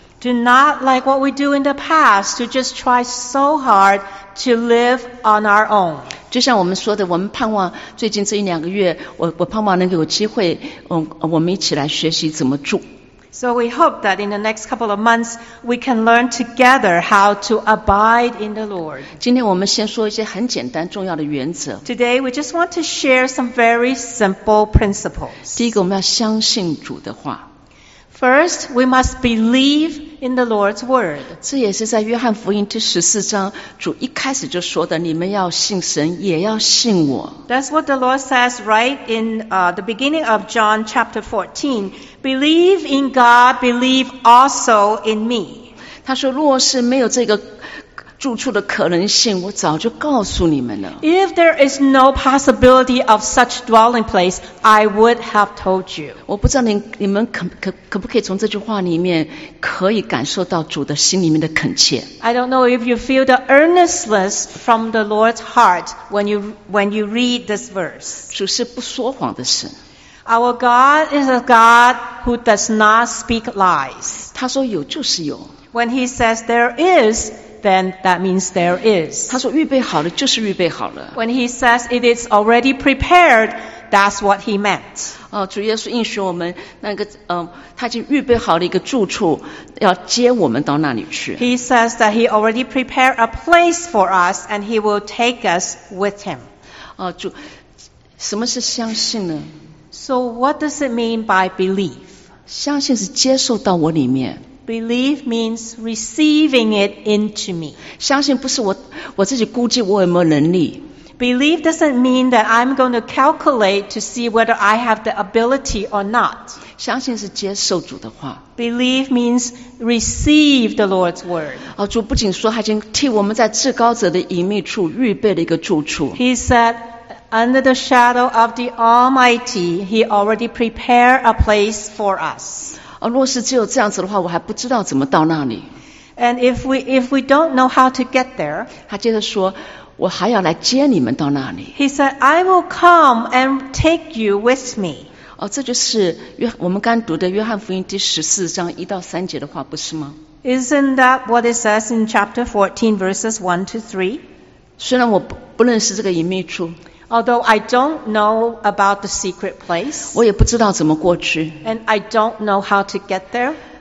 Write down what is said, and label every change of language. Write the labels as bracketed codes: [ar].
[en] Do not like what we do in the past to just try so hard to live on our own. [zh] 就像我们说的，我们盼望最近这一两个月，我盼望能够有机会，我们一起来学习怎么住。 [en] So we hope that in the next couple of months, we can learn together how to abide in the Lord. [zh] 今天我们先说一些很简单重要的原则。 [en] Today, we just want to share some very simple principles. [zh] 第一个，我们要相信主的话。 [en] First, we must believe in the Lord's word. [zh] 这也是在约翰福音第十四章主一开始就说的，你们要信神，也要信我。 [en] That's what the Lord says right in the beginning of John chapter 14. Believe in God, believe also in me. [zh] 他说，若是没有这个住处的可能性，我早就告诉你们了。 [en] If there is no possibility of such dwelling place, I would have told you. [zh] 我不知道你们可不可以从这句话里面可以感受到主的心里面的恳切。 [en] I don't know if you feel the earnestness from the Lord's heart when you read this verse. [zh] 主是不说谎的神。 [en] Our God is a God who does not speak lies. [zh] 他说有就是有。 [en] When he says there is,then that means there is. [zh] 他说预备好了就是预备好了。 [en] When he says it is already prepared, that's what he meant. [zh] 主耶稣应许我们那个他已经预备好了一个住处要接我们到那里去。 [en] He says that he already prepared a place for us and he will take us with him. [zh] 主什么是相信呢？ [en] So what does it mean by belief? [zh] 相信是接受到我里面。 [en] Believe means receiving it into me. [zh] 相信不是我自己估计我有没有能力。 [en] Believe doesn't mean that I'm going to calculate to see whether I have the ability or not. [zh] 相信是接受主的话。 [en] Believe means receive the Lord's word. [zh] 主不仅说他已经替我们在至高者的隐秘处预备了一个住处。 [en] He said, under the shadow of the Almighty, he already prepared a place for us. [zh] 若是只有这样子的话，我还不知道怎么到那里。 [en] And if we don't know how to get there, [zh] 他接着说，我还要来接你们到那里。 [en] He said, I will come and take you with me. [zh] 这就是我们刚读的约翰福音第十四章一到三节的话，不是吗？ [en] Isn't that what it says in chapter 14 verses 1 to 3? [zh] 虽然我不认识这个隐秘处。 [en] Although I don't know about the secret place, [zh] 我也不知道怎么过去。 [en] And I don't know how to get there,